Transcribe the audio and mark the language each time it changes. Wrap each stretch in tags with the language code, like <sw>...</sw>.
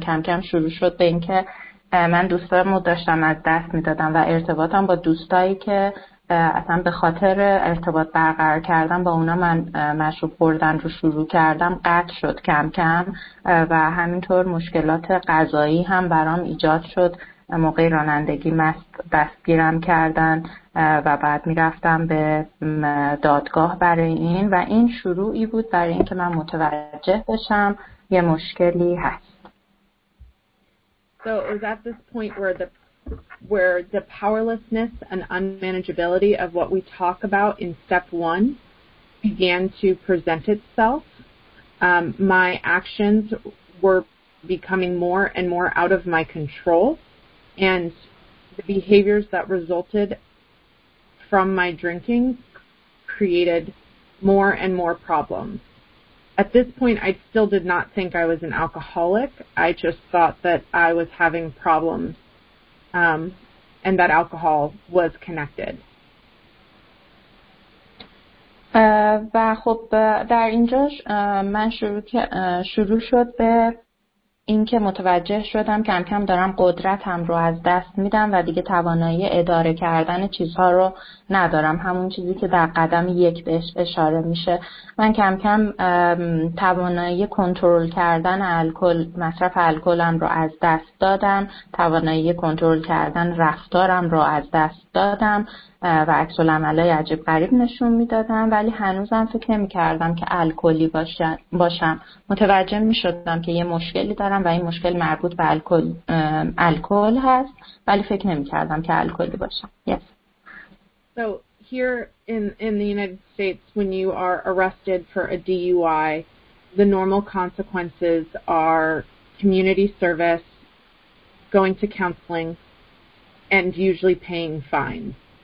<fa>کم کم شروع شد به اینکه من دوستامو داشتم از دست می‌دادم و ارتباطم با دوستایی که اصلا به خاطر ارتباط برقرار کردم با اونا من مشروب خوردن رو شروع کردم قطع شد کم کم، و همینطور مشکلات قضایی هم برام ایجاد شد. موقع رانندگی مست دستگیرم کردن و بعد می‌رفتم به دادگاه برای این، و این شروعی بود برای اینکه من متوجه بشم یه مشکلی هست.</fa> <en>So it was at this point where the powerlessness and unmanageability of what we talk about in step one began to present itself. My actions were becoming more and more out of my control, and the behaviors that resulted from my drinking created more and more problems. At this point, I still did not think I was an alcoholic. I just thought that I was having problems, and that alcohol was connected.</en> <fa>و خب در اینجا من شروع شد به اینکه متوجه شدم کم کم دارم قدرتم رو از دست میدم و دیگه توانایی اداره کردن چیزها رو ندارم، همون چیزی که در قدم یک بهش اشاره میشه. من کم کم توانایی کنترل کردن الکل، مصرف الکلم رو از دست دادم، توانایی کنترل کردن رفتارم رو از دست دادم و عکس العملای عجیب غریب نشون میدادم، ولی هنوزم فکر نمی کردم که الکلی باشم. متوجه می شدم که یه مشکلی دارم و این مشکل مربوط به الکل هست، ولی فکر نمی کردم که الکلی باشم.</fa> <en>Yes. So here in the United States, when you are arrested for a DUI, the normal consequences are community service, going to counseling, and usually paying fines.</en>